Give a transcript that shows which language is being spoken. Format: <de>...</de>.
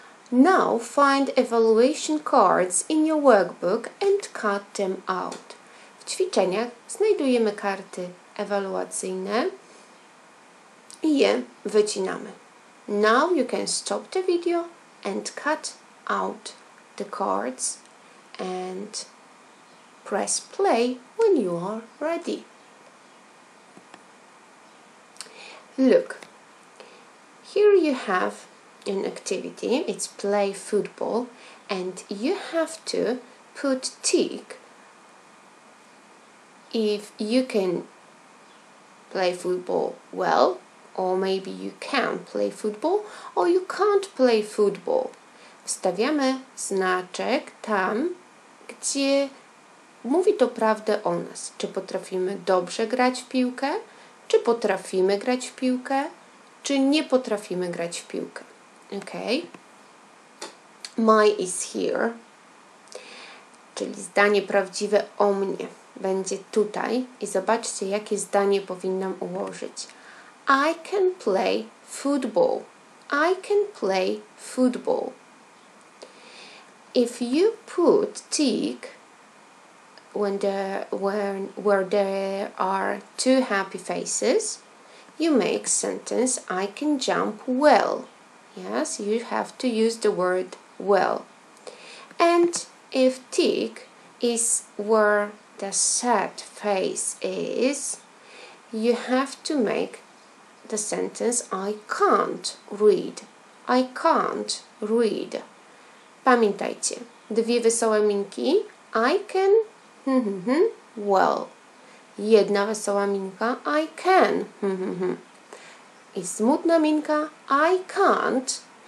<en>Now find evaluation cards in your workbook and cut them out.</en> <pl>W ćwiczeniach znajdujemy karty ewaluacyjne i je wycinamy.</pl> <en>Now you can stop the video and cut out the cards and press play when you are ready. Look, here you have an activity, it's play football, and you have to put tick if you can play football well, or maybe you can play football, or you can't play football.</en> <pl>Wstawiamy znaczek tam, gdzie mówi to prawdę o nas. Czy potrafimy dobrze grać w piłkę, czy potrafimy grać w piłkę, czy nie potrafimy grać w piłkę.</pl> <en>Okay. My is here.</en> <pl>Czyli zdanie prawdziwe o mnie będzie tutaj. I zobaczcie, jakie zdanie powinnam ułożyć.</pl> <en>I can play football. I can play football. If you put tick where there are two happy faces, you make sentence I can jump well. Yes, you have to use the word well. And if tick is where the sad face is, you have to make the sentence I can't read. I can't read.</en> <pl>Pamiętajcie, dwie wesołe minki,</pl> <en>I can, well.</en> <pl>Jedna wesoła minka,</pl> <en>I can,</en> <pl>I smutna minka,</pl> <en>I can't.</en>